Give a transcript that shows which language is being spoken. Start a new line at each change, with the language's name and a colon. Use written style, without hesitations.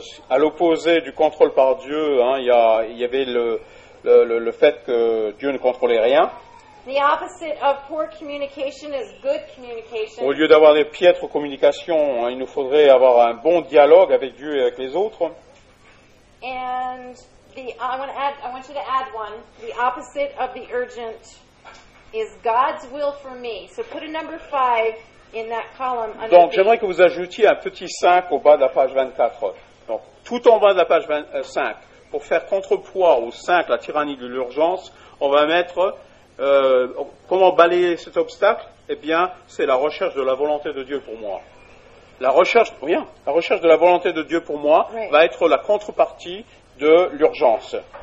French: À l'opposé du contrôle par Dieu, il y avait le fait que Dieu ne contrôlait rien.
English: The opposite of poor communication is good communication.
French: Au lieu d'avoir des piètres communications, il nous faudrait avoir un bon dialogue avec Dieu et avec les autres.
English: And the I want you to add one. The opposite of the urgent is God's will for me. So put a number 5 in that column.
French: Donc j'aimerais que vous ajoutiez un petit 5 au bas de la page 24. Donc tout en bas de la page 5, pour faire contrepoids au 5, la tyrannie de l'urgence, on va mettre comment balayer cet obstacle? Eh bien, c'est la recherche de la volonté de Dieu pour moi. La recherche de la volonté de Dieu pour moi va être la contrepartie de l'urgence.